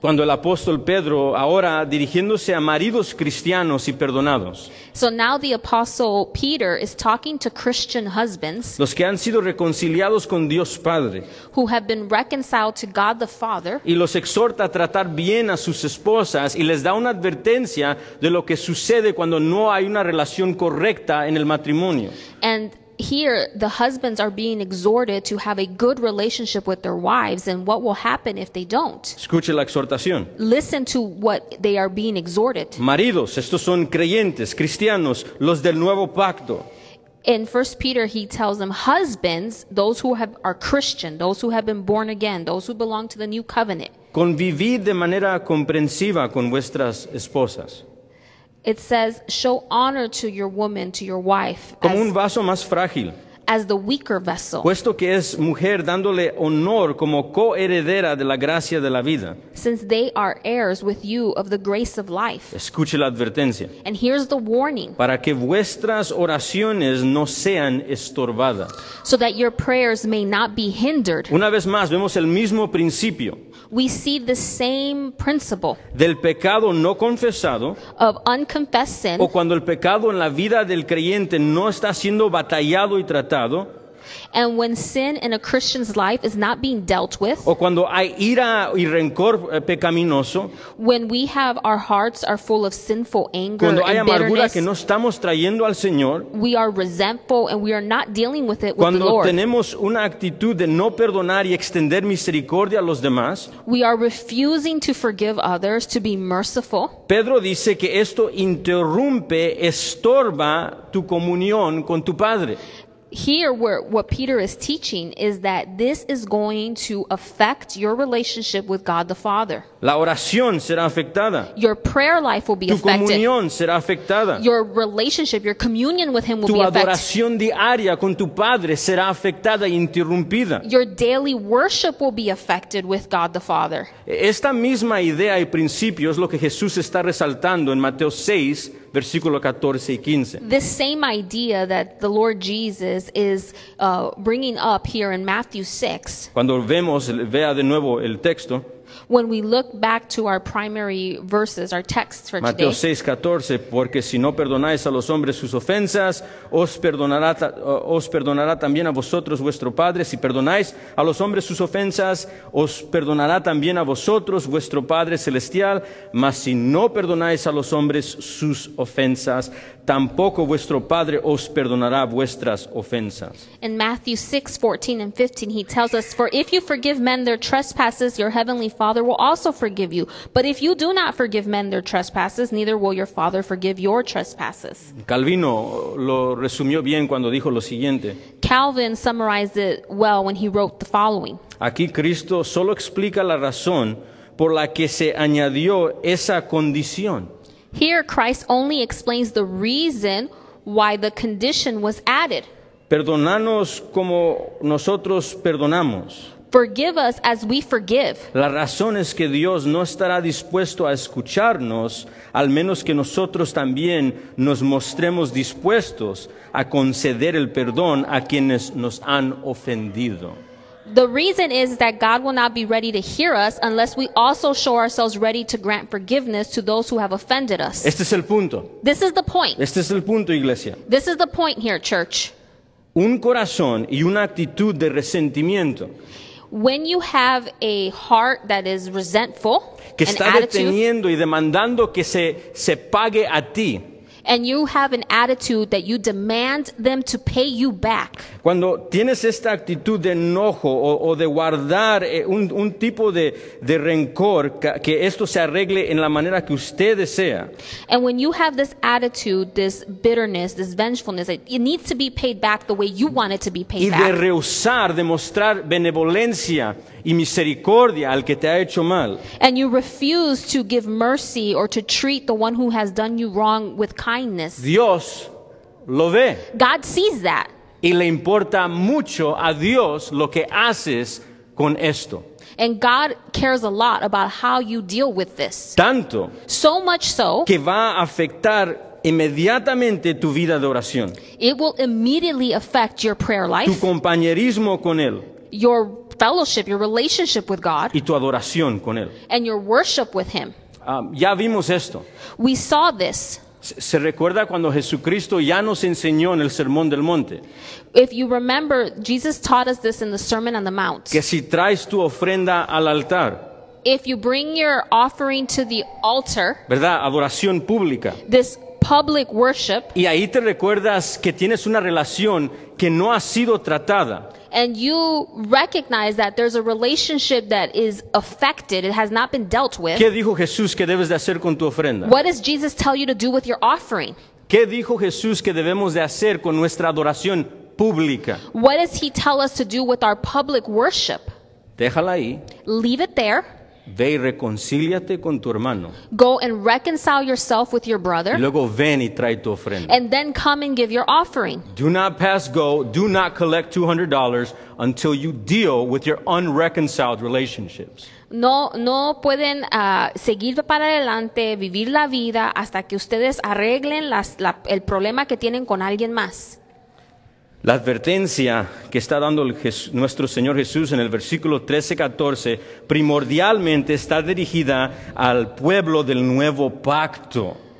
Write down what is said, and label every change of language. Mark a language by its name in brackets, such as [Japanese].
[Spanish] Cuando el apóstol Pedro, ahora dirigiéndose a maridos cristianos y perdonados. [English] So now the apostle Peter is talking to Christian husbands. [Spanish] Los que han sido reconciliados con Dios Padre. [English] Who have been reconciled to God the Father. [Spanish] Y los exhorta a tratar bien a sus esposas y les da una advertencia de lo que sucede cuando no hay una relación correcta en el matrimonio. [English] And here, the husbands are being exhorted to have a good relationship with their wives and what will happen if they don't. [Spanish] Escuche la exhortación. [English] Listen to what they are being exhorted. [Spanish] Maridos, estos son creyentes, cristianos, los del nuevo pacto. [English] In 1 Peter, he tells them, husbands, those who are Christian, those who have been born again, those who belong to the new covenant. [Spanish] Convivid de manera comprensiva con vuestras esposas. [English] It says, show honor to your woman, to your wife, [Spanish] como un vaso más frágil, [English] as the weaker vessel. [Spanish] Puesto que es mujer, dándole honor como coheredera de la gracia de la vida. [English] Since they are heirs with you of the grace of life. [Spanish] Escuche la advertencia. [English] And here's the warning. [Spanish] Para que vuestras oraciones no sean estorbadas. [English] So that your prayers may not be hindered. [Spanish] Una vez más, vemos el mismo principio. [English] We see the same principle [Spanish] del pecado no confesado, [English] of unconfessed sin, [Spanish] o cuando el pecado en la vida del creyente no está siendo batallado y tratado, [English] and when sin in a Christian's life is not being dealt with, [Spanish] o cuando hay ira y rencor pecaminoso, [English] when we have our hearts are full of sinful anger, [Spanish] cuando hay [English] and [Spanish] amargura que no estamos trayendo al Señor, [English] we are resentful and we are not dealing with it [Spanish] cuando [English] with the Lord, [Spanish] tenemos una actitud de no perdonar y extender misericordia a los demás, [English] we are refusing to forgive others, to be merciful. [Spanish] Pedro dice que esto interrumpe, estorba tu comunión con tu Padre. [English] Here, what Peter is teaching is that this is going to affect your relationship with God the Father. [Spanish] La oración será afectada. [English] Your prayer life will be [Spanish] tu [English] affected. [Spanish] Comunión será afectada. [English] Your relationship, your communion with Him will [Spanish] tu [English] be [Spanish] adoración [English] affected. [Spanish] Diaria con tu Padre será afectada e interrumpida. [English] Your daily worship will be affected with God the Father. [Spanish] Esta misma idea y principio es lo que Jesús está resaltando en Mateo 6, versículo 14 y 15. [English] This same idea that the Lord Jesus is bringing up here in Matthew 6. [Spanish] Cuando vemos, vea de nuevo el texto. [English] when we look back to our primary verses, our texts for [Spanish] Mateo [English] today. [Spanish] Mateo 6:14, porque si no perdonáis a los hombres sus ofensas, os perdonará también a vosotros vuestro Padre. Si perdonáis a los hombres sus ofensas, os perdonará también a vosotros vuestro Padre celestial. Mas si no perdonáis a los hombres sus ofensas, tampoco vuestro Padre os perdonará vuestras ofensas. [English] In Matthew 6:14-15, he tells us, for if you forgive men their trespasses, your heavenly Father will also forgive you. But if you do not forgive men their trespasses, neither will your Father forgive your trespasses. [Spanish] Calvino lo resumió bien cuando dijo lo siguiente. [English] Calvin summarized it well when he wrote the following. [Spanish] Aquí Cristo solo explica la razón por la que se añadió esa condición. [English] Here, Christ only explains the reason why the condition was added. [Spanish] Perdónanos como nosotros perdonamos. [English] Forgive us as we forgive. [Spanish] La razón es que Dios no estará dispuesto a escucharnos, al menos que nosotros también nos mostremos dispuestos a conceder el perdón a quienes nos han ofendido. [English] The reason is that God will not be ready to hear us unless we also show ourselves ready to grant forgiveness to those who have offended us. [Spanish] Este es el punto. [English] This is the point. [Spanish] Este es el punto, iglesia. [English] This is the point here, church. [Spanish] Un corazón y una actitud de resentimiento. [English] When you have a heart that is resentful, [Spanish] que está deteniendo y demandando que se pague a ti. [English] And you have an attitude that you demand them to pay you back. [Spanish] Cuando tienes esta actitud de enojo o de guardar un tipo de rencor, que esto se arregle en la manera que usted desea. [English] And when you have this attitude, this bitterness, this vengefulness, it needs to be paid back the way you want it to be paid back. [Spanish] Y de rehusar demostrar benevolencia y misericordia al que te ha hecho mal. [English] And you refuse to give mercy or to treat the one who has done you wrong with kindness. [Spanish] Dios lo ve. [English] God sees that. [Spanish] Y le importa mucho a Dios lo que haces con esto. [English] And God cares a lot about how you deal with this. [Spanish] Tanto. [English] So much so. [Spanish] Que va a afectar inmediatamente tu vida de oración. [English] It will immediately affect your prayer life. [Spanish] Tu compañerismo con Él. [English] Your fellowship, your relationship with God, [Spanish] y tu adoración con él. [English] And your worship with him. [Spanish] Ya vimos esto. [English] We saw this. [Spanish] ¿Se recuerda cuando Jesucristo ya nos enseñó en el Sermón del Monte? [English] If you remember, Jesus taught us this in the Sermon on the Mount. [Spanish] Que si traes tu ofrenda al altar. [English] If you bring your offering to the altar. [Spanish] ¿Verdad? Adoración pública. [English] This public worship. [Spanish] Y ahí te recuerdas que tienes una relación que no ha sido tratada. [English] And you recognize that there's a relationship that is affected. It has not been dealt with. [Spanish] ¿Qué dijo Jesús que debes de hacer con tu ofrenda? [English] What does Jesus tell you to do with your offering? [Spanish] ¿Qué dijo Jesús que debemos de hacer con nuestra adoración pública? [English] What does he tell us to do with our public worship? [Spanish] Déjala ahí. [English] Leave it there. [Spanish] Ve y reconcíliate con tu hermano. [English] Go and reconcile yourself with your brother. [Spanish] Y luego ven y trae tu ofrenda. [English] And then come and give your offering. Do not pass go. Do not collect $200 until you deal with your unreconciled relationships. [Spanish] No pueden seguir para adelante, vivir la vida hasta que ustedes arreglen el problema que tienen con alguien más. La advertencia que está dando nuestro Señor Jesús en el versículo 13-14 primordialmente está dirigida al pueblo del nuevo pacto.